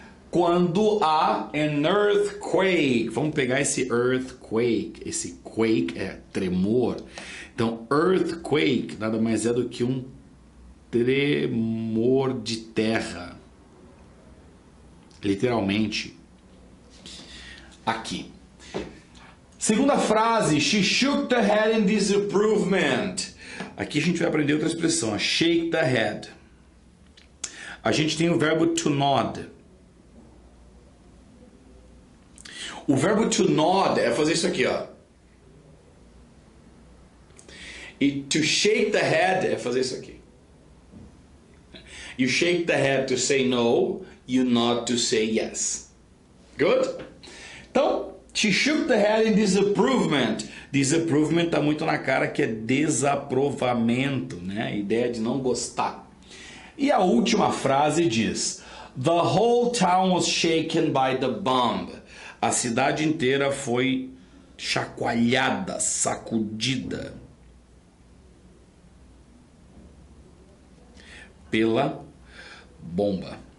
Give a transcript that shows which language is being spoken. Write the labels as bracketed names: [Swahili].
[Portuguese] Quando há an earthquake, vamos pegar esse earthquake, esse quake é tremor. Então, earthquake nada mais é do que um tremor de terra, literalmente, aqui. Segunda frase, [English] she shook the head in disapprovement. [Portuguese] Aqui a gente vai aprender outra expressão, [English] shake the head. [Portuguese] A gente tem o verbo to nod. O verbo to nod é fazer isso aqui, ó. E [English] to shake the head [Portuguese] é fazer isso aqui. [English] You shake the head to say no, you nod to say yes. Good? [Portuguese] Então, [English] she shook the head in disapprovement. [Portuguese] Disapprovement tá muito na cara que é desaprovamento, né? A ideia de não gostar. E a última frase diz, [English] the whole town was shaken by the bomb. [Portuguese] A cidade inteira foi chacoalhada, sacudida pela bomba.